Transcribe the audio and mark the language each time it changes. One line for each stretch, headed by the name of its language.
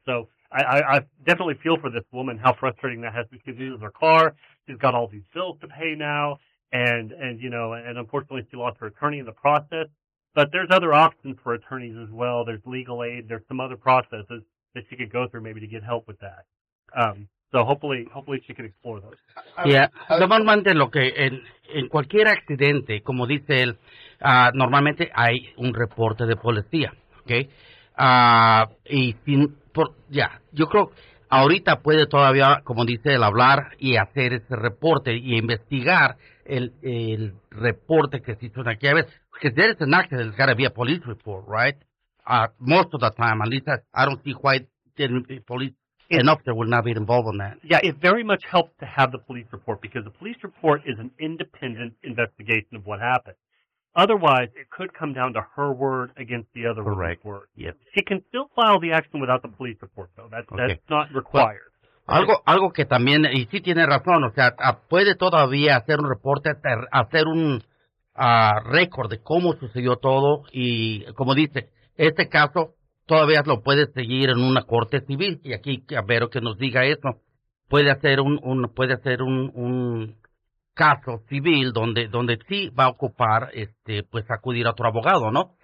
English: So I definitely feel for this woman how frustrating that has because this is her car. She's got all these bills to pay now. And you know, and unfortunately she lost her attorney in the process. But there's other options for attorneys as well. There's legal aid. There's some other processes that she could go through maybe to get help with that. So hopefully she can explore those.
Spanish: Normalmente lo que en cualquier accidente, como dice él, normalmente hay un reporte de policía, okay? Y sin por ya, yeah, yo creo ahorita puede todavía, como dice él, hablar y hacer ese reporte y investigar el reporte que se hizo en aquella vez.
English: Because there is an accident, there's got to be a police report, right? Most of the time, at least I don't see why the police enough that would not be involved in that. Yeah, it very much helps to have the police report because the police report is an independent investigation of what happened. Otherwise, it could come down to her word against the other correct word. Yes. She can still file the action without the police report, though. That's not required. But, right.
Spanish: Algo que también, y sí tiene razón, o sea, puede todavía hacer un reporte, hacer un récord de cómo sucedió todo, y como dice, este caso todavía lo puede seguir en una corte civil, y aquí a ver que nos diga eso, puede hacer un caso civil donde sí va a ocupar, pues acudir a otro abogado, ¿no?